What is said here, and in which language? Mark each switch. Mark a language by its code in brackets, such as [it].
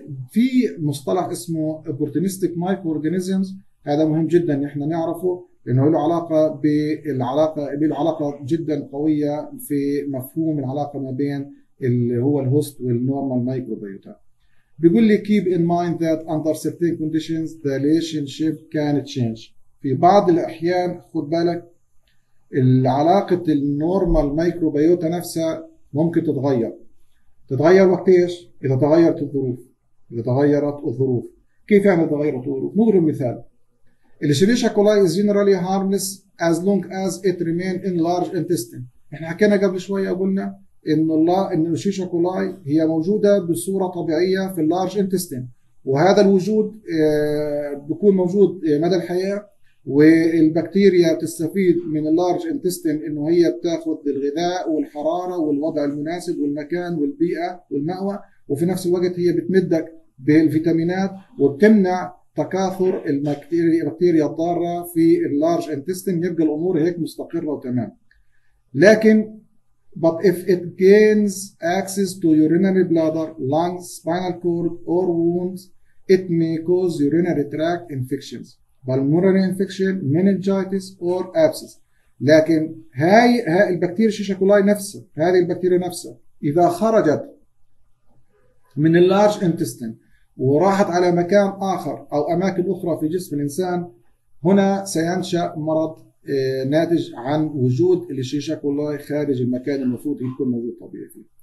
[ar] في مصطلح اسمه opportunistic microorganisms، هذا مهم جدا ان احنا نعرفه لانه له علاقه بالعلاقه جدا قويه في مفهوم العلاقه ما بين اللي هو الهوست والنورمال مايكروبيوتا. بيقول لي [en] keep in mind that under certain conditions the relationship can change. [ar] في بعض الاحيان خد بالك العلاقة النورمال مايكروبيوتا نفسها ممكن تتغير. تتغير وقت ايش؟ اذا تغيرت الظروف. اذا تغيرت الظروف. كيف يعني تغيرت الظروف؟ نضرب مثال. [en] الشريشة coli is generally harmless as long as it remains in large intestine. [ar] احنا حكينا قبل شوية قلنا ان الشيشة كولاي هي موجودة بصورة طبيعية في اللارج انتستين، وهذا الوجود بيكون موجود مدى الحياة، والبكتيريا بتستفيد من اللارج انتستين انه هي بتاخذ الغذاء والحرارة والوضع المناسب والمكان والبيئة والمأوى، وفي نفس الوقت هي بتمدك بالفيتامينات وبتمنع تكاثر البكتيريا الضارة في اللارج انتستين، يبقى الامور هيك مستقرة وتمام. [en] لكن but if it gains access to urinary bladder, lungs, spinal cord or wounds, it may cause urinary tract infections, pulmonary infection, meningitis or abscess. [ar] لكن هاي البكتيريا الشيشة كولاي نفسها، هذه البكتيريا نفسها اذا خرجت من اللارج انتستين وراحت على مكان اخر او اماكن اخرى في جسم الانسان، هنا سينشا مرض ناتج عن وجود الشيشة كولاي خارج المكان المفروض يكون موجود طبيعي فيه.